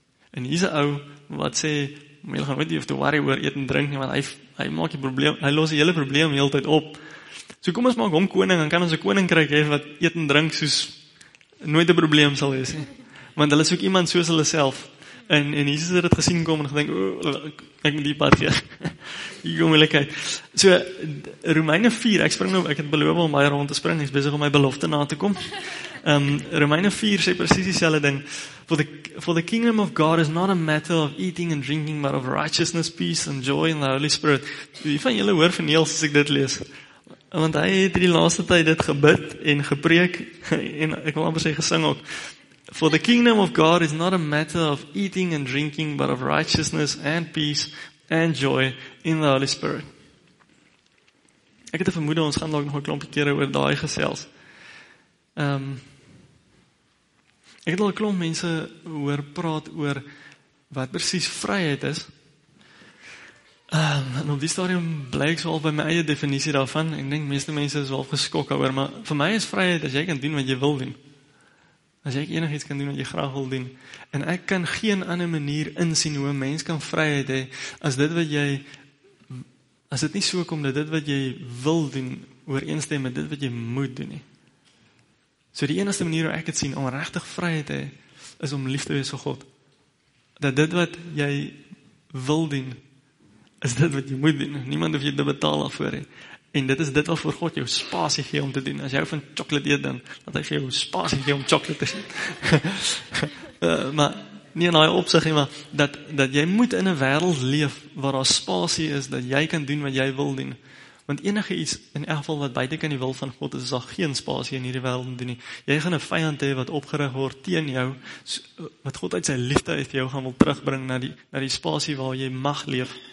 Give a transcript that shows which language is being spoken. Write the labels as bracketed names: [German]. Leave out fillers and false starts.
[Afrikaans] En hier is een ou wat sê, maar jy gaan weet nie of te worry oor eet en drink nie, want hy maak die probleem, hy los die hele probleem die hele tijd op. So kom ons maak hom koning, en kan ons een koninkryk hê wat eet en drink soos nooit een probleem sal wees. Want hulle soek iemand soos hulle self. En Jesus het gesien kom en gedink, ek moet die pad gee. Hier kom moeilijkheid. So, Romeine 4, ek het beloof om my rond te spring, ek is bezig om my belofte na te kom. Romeine 4 sê precies diezelfde ding, [English] for the kingdom of God is not a matter of eating and drinking, but of righteousness, peace and joy in the Holy Spirit. [Afrikaans] Wie van julle hoor van Niels as ek dit lees? Want hy het die laatste tyd dit gebid en gepreek, en ek wil amper sê gesing ook, [English] for the kingdom of God is not a matter of eating and drinking, but of righteousness and peace and joy in the Holy Spirit. [Afrikaans] Ek het een vermoede, ons gaan dalk nog een klompie keer oor die gesels. Ek het al klomp mense oor praat oor wat precies vryheid is. En op die stadium blyk ek wel by my eie definisie daarvan. Ek denk, meeste mense is wel geskok oor, maar vir my is vryheid as jy kan doen wat jy wil doen. As jy enig iets kan doen wat jy graag wil doen. En ek kan geen ander manier insien hoe een mens kan vryheid hê, as dit nie so kom dat dit wat jy wil doen, ooreenstem met dit wat jy moet doen hê. So die enigste manier hoe ek het sien, om regtig vryheid hê, is om lief te wees vir God. Dat dit wat jy wil doen, is dit wat jy moet doen. Niemand hoef jy te betaal daarvoor hê. En dit is dit wat voor God jou spasie gee om te doen. As jy van chocolate eet, dan dat hy vir jou spasie gee om chocolate te eet. maar nie in die opzicht, maar dat jy moet in 'n wêreld leef waar daar spasie is, dat jy kan doen wat jy wil doen. Want enige iets, in elk geval wat buiten kan die wil van God, is daar geen spasie in hierdie wêreld om doen nie. Jy gaan 'n vijand hê wat opgerig word teen jou, wat God uit sy liefde uit jou gaan wil terugbring na die spasie waar jy mag leef.